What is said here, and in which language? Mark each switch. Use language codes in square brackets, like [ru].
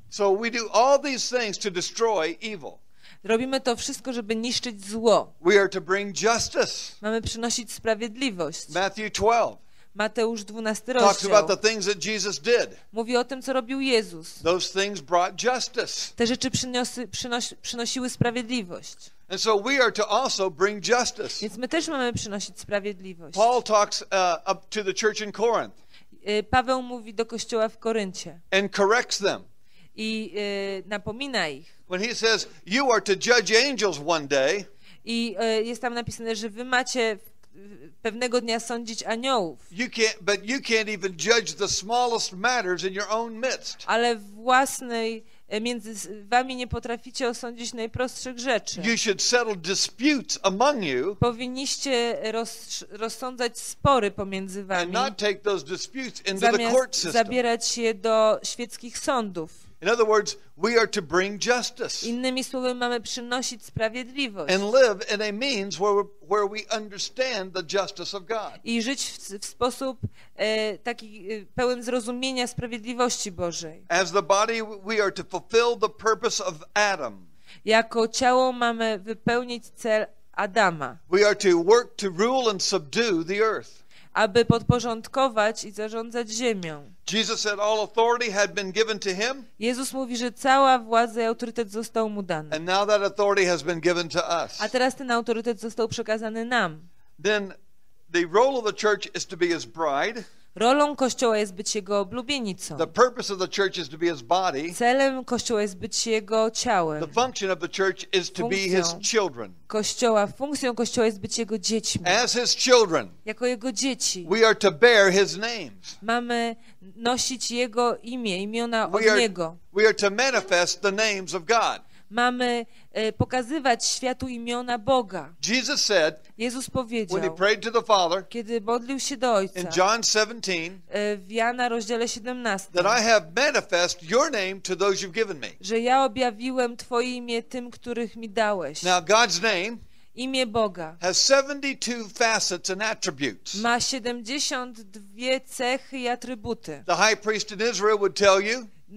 [en] So we do all these things to destroy evil. [pl] Robimy to wszystko, żeby niszczyć zło. [en] We are to bring justice. [pl] Mamy przynosić sprawiedliwość. [en] Matthew 12. [pl] Mateusz 12 rozdział. [en] Talks about the things that Jesus did. [pl] Mówi o tym, co robił Jezus. [en] Those things brought justice. [pl] Te rzeczy przynosiły sprawiedliwość. [en] And so we are to also bring justice. [pl] Więc my też mamy przynosić sprawiedliwość. [en] Paul talks to the church in Corinth. [pl] Paweł mówi do kościoła w Koryncie. [en] And corrects them. [pl] I napomina ich. [en] When he says you are to judge angels one day. [pl] I jest tam napisane, że wy macie pewnego dnia sądzić aniołów. [en] You can't, but you can't even judge the smallest matters in your own midst. [pl] Ale własnej między wami nie potraficie osądzić najprostszych rzeczy. [en] You should settle disputes among you. [pl] Powinniście rozsądzać spory pomiędzy wami. [en] And not take those disputes into the court system. [pl] Zabierać je do świeckich sądów. [en] In other words, we are to bring justice. [pl] Innymi słowy, mamy przynosić sprawiedliwość. [en] And live in a means where we understand the justice of God. [pl] I żyć w sposób taki pełen zrozumienia sprawiedliwości Bożej. [en] As the body, we are to fulfill the purpose of Adam. [pl] Jako ciało mamy wypełnić cel Adama. [en] We are to work to rule and subdue the earth. [pl] Aby podporządkować i zarządzać ziemią. [en] Jesus said all authority had been given to him. [pl] Jezus mówi, że cała władza i autorytet został mu dany. [en] And now that authority has been given to us. [pl] A teraz ten autorytet został przekazany nam. [en] Then the role of the church is to be his bride. [pl] Rolą Kościoła jest być jego oblubienicą. [en] The purpose of the church is to be his body. [pl] Celem Kościoła jest być jego ciałem. [en] The function of the church is to be his children. [pl] Funkcją Kościoła jest być jego dziećmi. [en] As his children. [pl] Jako jego dzieci. [en] We are to bear his names. [pl] Mamy nosić jego imię, imiona od niego. [en] We are to manifest the names of God. [pl] Mamy pokazywać światu imiona Boga. [en] Jesus said, [pl] Jezus powiedział, [en] when he prayed to the Father, [pl] kiedy modlił się do Ojca, [en] in John 17, [pl] w Jana rozdziale 17, [en] that I have manifest your name to those you've given me. [pl] Że ja objawiłem Twoje imię tym, których mi dałeś. [en] Now God's name, [pl] imię Boga, [en] has 72 facets and attributes. [pl] Ma 72 cechy i atrybuty. [en] The high priest in Israel would tell you,